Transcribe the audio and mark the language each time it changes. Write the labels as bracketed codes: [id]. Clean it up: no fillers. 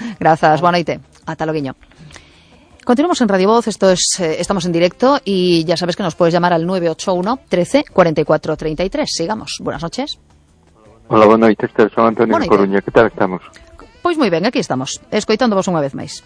[gl] Grazas, boa noite, ata loguiño. Continuamos en Radio Voz, estamos en directo e ya sabes que [es] nos podes llamar al [gl] 981 13 44 33. [es] Sigamos, buenas noches. [gl] Hola, boa noite, este é o Antonio de Coruña. Que tal estamos? Pois moi ben, aquí estamos, escoitándovos unha vez máis.